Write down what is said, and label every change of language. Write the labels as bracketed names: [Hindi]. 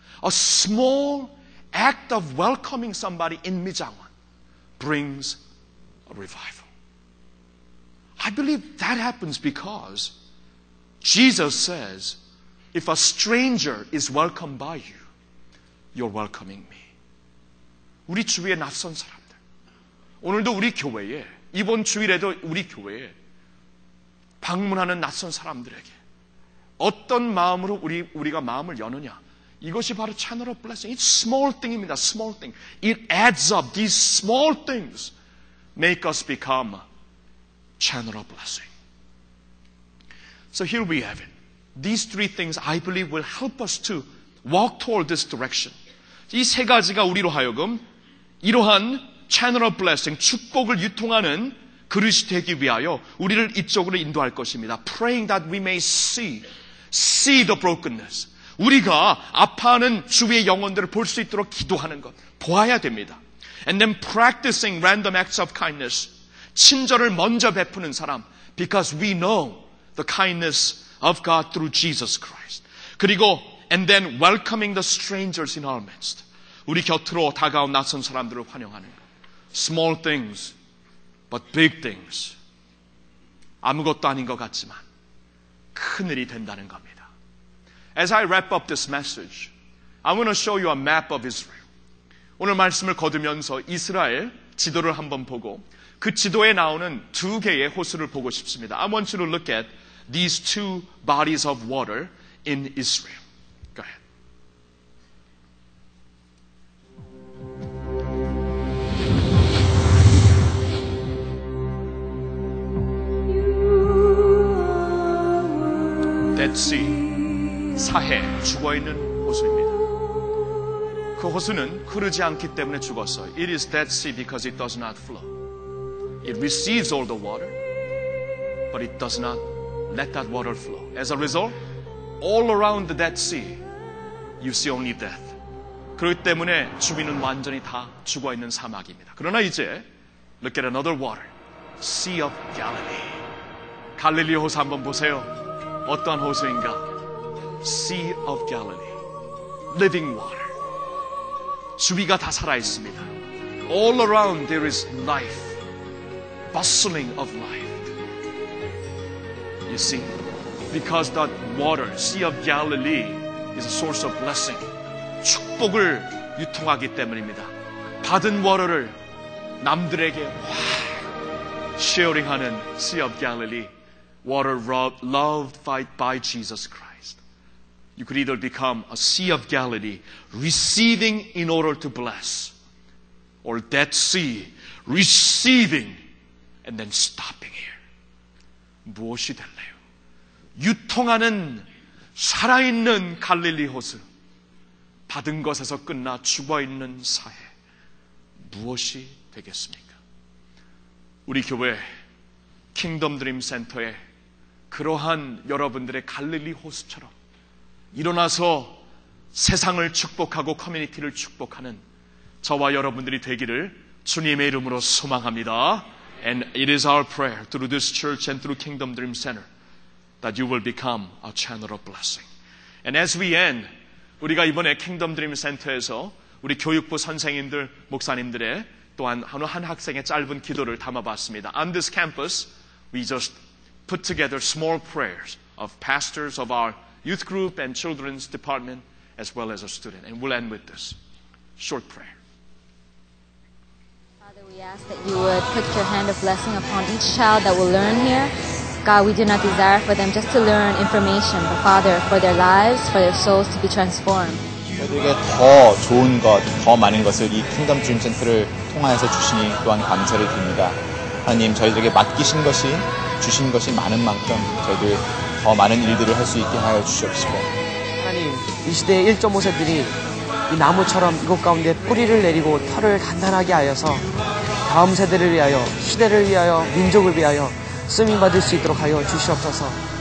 [English] A small act of welcoming somebody in Mijangwon brings a revival. I believe that happens because Jesus says, if a stranger is welcomed by you, you're welcoming me. [Korean] 우리 주위에 낯선 사람들. 오늘도 우리 교회에, 이번 주일에도 우리 교회에 방문하는 낯선 사람들에게 어떤 마음으로 우리가 마음을 여느냐. 이것이 바로 [English] channel of blessing. It's small thing입니다. Small thing. It adds up. These small things make us become channel of blessing. So here we have it. These three things I believe will help us to walk toward this direction. [Korean] 이 세 가지가 우리로 하여금 이러한 channel of blessing, 축복을 유통하는 그릇이 되기 위하여 우리를 이쪽으로 인도할 것입니다. [English] Praying that we may see the brokenness. [Korean] 우리가 아파하는 주위의 영혼들을 볼 수 있도록 기도하는 것, 보아야 됩니다. [English] And then practicing random acts of kindness. [Korean] 친절을 먼저 베푸는 사람. [English] Because we know the kindness of God through Jesus Christ. 그리고 And then welcoming the strangers in our midst. [Korean] 우리 곁으로 다가온 낯선 사람들을 환영하는 것. [English] Small things, but big things. [Korean] 아무것도 아닌 것 같지만 큰 일이 된다는 겁니다. [English] As I wrap up this message, I want to show you a map of Israel. [Korean] 오늘 말씀을 거두면서 이스라엘 지도를 한번 보고 그 지도에 나오는 두 개의 호수를 보고 싶습니다. [English] I want you to look at these two bodies of water in Israel. [Korean] Dead Sea, 사해, 죽어있는 호수입니다. 그 호수는 흐르지 않기 때문에 죽었어요. [English] It is Dead Sea because it does not flow. It receives all the water, but it does not let that water flow. As a result, all around the Dead Sea, you see only death. [Korean] 그렇기 때문에 주위는 완전히 다 죽어있는 사막입니다. 그러나 이제, [English] look at another water, Sea of Galilee. [Korean] 갈릴리 호수 한번 보세요. 어떤 호수인가? Sea of Galilee. [English] Living water. [Korean] 주위가 다 살아있습니다. [English] All around there is life, bustling of life. You see, because that water, Sea of Galilee, is a source of blessing. [Korean] 축복을 유통하기 때문입니다. 받은 water를 남들에게 sharing하는 Sea of Galilee. [English] Water loved by Jesus Christ. You could either become a Sea of Galilee, receiving in order to bless, or Dead Sea, receiving and then stopping here. [Korean] 무엇이 될래요? 유통하는 살아있는 갈릴리 호수, 받은 것에서 끝나 죽어있는 사회, 무엇이 되겠습니까? 우리 교회 킹덤 드림 센터에 그러한 여러분들의 갈릴리 호수처럼 일어나서 세상을 축복하고 커뮤니티를 축복하는 저와 여러분들이 되기를 주님의 이름으로 소망합니다. [English] And it is our prayer through this church and through Kingdom Dream Center that you will become a channel of blessing. And as we end, [Korean] 우리가 이번에 Kingdom Dream Center에서 우리 교육부 선생님들, 목사님들의 또한 한 학생의 짧은 기도를 담아봤습니다. [English] On this campus, we just put together small prayers of pastors of our youth group and children's department as well as a student. And we'll end with this short prayer. Father, we ask that you would put your hand of blessing upon each child that will learn here. God, we do not desire for them just to learn information, but Father, for their lives, for their souls to be transformed. [Korean] 저희들에게 더 좋은 것, 더 많은 것을 이 킹덤 드림 센터를 통하여서 주시니 또한 감사를 드립니다. 하나님, 저희들에게 맡기신 것이 주신 것이 많은 만큼 저희들 더 많은 일들을 할 수 있게 하여 주시옵시고 하나님 이 시대의 1.5세들이 이 나무처럼 이곳 가운데 뿌리를 내리고 털을 단단하게 하여서 다음 세대를 위하여 시대를 위하여 민족을 위하여 쓰임 받을 수 있도록 하여 주시옵소서